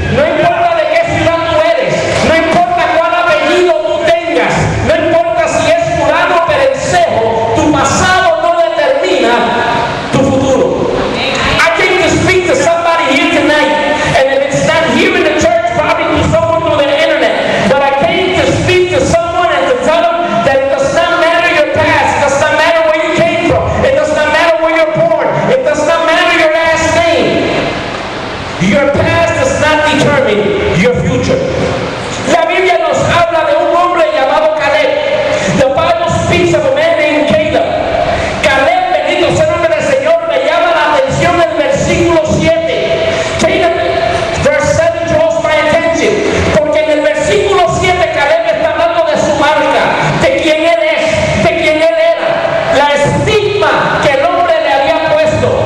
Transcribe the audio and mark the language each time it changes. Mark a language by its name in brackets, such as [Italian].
[Spanish] No importa de qué ciudad tú eres, no importa cuál apellido tú tengas, no importa si es fulano perencejo, tu pasado no determina tu futuro. [English] I came to speak to somebody here tonight, and it's not here in the church, probably to someone through the internet, but I came to speak to someone and to tell them that it does not matter your past, it does not matter where you came from, it does not matter where you're born, it does not matter your last name. Your past does not determine your future. [Spanish] La Biblia nos habla de un hombre llamado Caleb. [English] The Bible speaks of a man named Caleb. [Spanish] Caleb, bendito sea el nombre del Señor, me llama la atención el versículo 7. Caleb, [English] verse 7 draws my attention. [Spanish] Porque en el versículo 7 Caleb está hablando de su marca, de quién él es, de quién él era, la estigma que el hombre le había puesto.